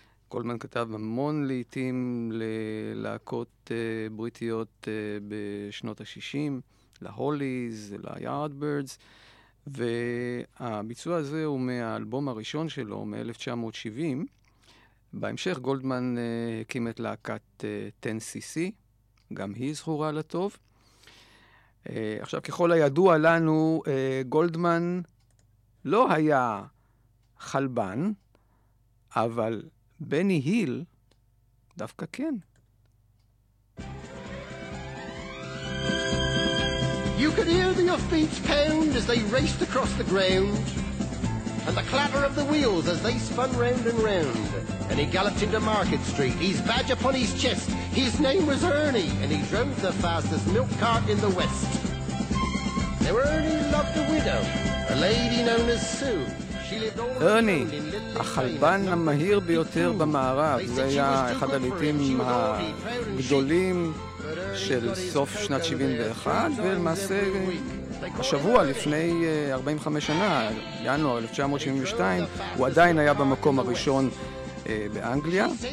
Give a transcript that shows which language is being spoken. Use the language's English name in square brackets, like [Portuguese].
[Hebrew] גולדמן כתב המון לעיתים ללהקות בריטיות בשנות ה-60, להוליז, ליארדבירדס, והביצוע הזה הוא מהאלבום הראשון שלו, מ-1970, בהמשך גולדמן הקים את להקת 10cc, גם היא זכורה לטוב. עכשיו, ככל הידוע לנו, גולדמן לא היה חלבן, אבל בני היל דווקא כן. [English] You could hear the hoofbeats pound as they raced across the ground, and the clatter of the wheels as they spun round and round. And he galloped into Market Street, his badge upon his chest. His name was Ernie, and he drove the fastest milk cart in the West. Now Ernie loved a widow, a lady known as Sue. [Hebrew] ארני, החלבן המהיר ביותר במערב, זה היה אחד הליטים הגדולים של סוף שנת 71, ולמעשה השבוע לפני 45 שנה, ינואר 1972, הוא עדיין היה במקום הראשון באנגליה.